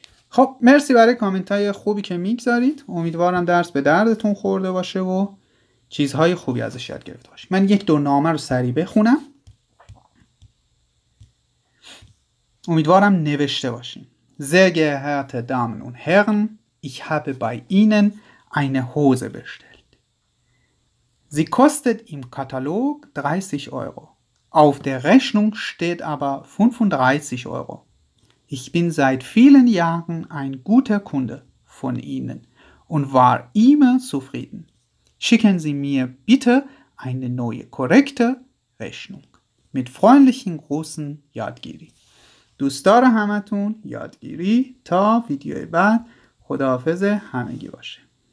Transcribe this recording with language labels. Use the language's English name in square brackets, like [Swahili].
[Persian] خب مرسی برای کامنت های خوبی که میگذارید، امیدوارم درس به دردتون خورده باشه و چیزهای خوبی ازش یاد گرفته باشید. من یک دو نامه رو سریع بخونم، امیدوارم نوشته باشین. [German] Sehr geehrte Damen und Herren, ich habe bei Ihnen eine Hose bestellt. Sie kostet im Katalog 30 Euro. Auf der Rechnung steht aber 35 Euro. Ich bin seit vielen Jahren ein guter Kunde von Ihnen und war immer zufrieden. Schicken Sie mir bitte eine neue korrekte Rechnung. Mit freundlichen Grüßen, Yadgiri. [Persian] دوستدار همتون یادگیری تا ویدیوی بعد خداحافظ همگی باشه.